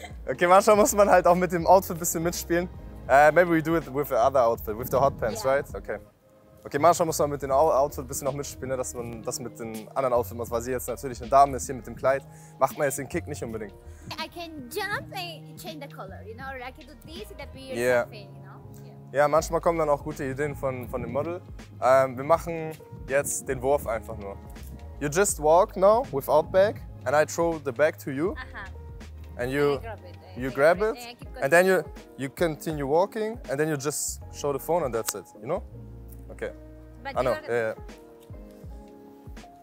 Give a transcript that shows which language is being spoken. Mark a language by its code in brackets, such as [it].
[de] Okay, manchmal muss man halt auch mit dem Outfit ein bisschen mitspielen. [en] Maybe we do it with the other outfit, with the hot pants, yeah. Right? Okay. [de] Okay, manchmal muss man mit dem Outfit ein bisschen noch mitspielen, ne, dass man das mit dem anderen Outfit macht, weil sie jetzt natürlich eine Dame ist hier mit dem Kleid. Macht man jetzt den Kick nicht unbedingt. [en] I can jump and change the color, you know? Or I can do this in the beard, yeah. Something, you know? [de] Ja, manchmal kommen dann auch gute Ideen von dem Model. Wir machen jetzt den Wurf einfach nur. [en] You just walk now without bag and I throw the bag to you. Uh-huh. And you grab it. You grab it and then you continue walking and then you just show the phone and that's it, you know? Okay. But I know. Yeah.